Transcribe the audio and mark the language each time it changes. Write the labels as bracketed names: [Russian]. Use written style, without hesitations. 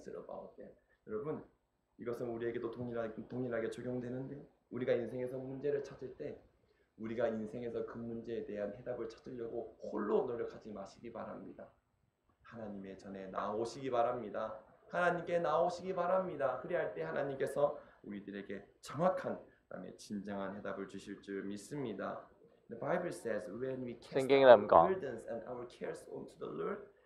[Cantonese] 所以咧，就係如果你遇到係生活上高嘅任何困難事情咧，唔好用你自己嘅智慧去理解。 [Korean] 이것은 우리에게도 동일하게 적용되는데 우리가 인생에서 문제를 찾을 때 우리가 인생에서 그 문제에 대한 해답을 찾으려고 홀로 노력하지 마시기 바랍니다. 하나님의 전에 나오시기 바랍니다. 하나님께 나오시기 바랍니다. 그리할 때 하나님께서 우리들에게 정확한 그다음에 진정한 해답을 주실 줄 믿습니다. [English] The Bible says when we cast our burdens and our cares onto the Lord,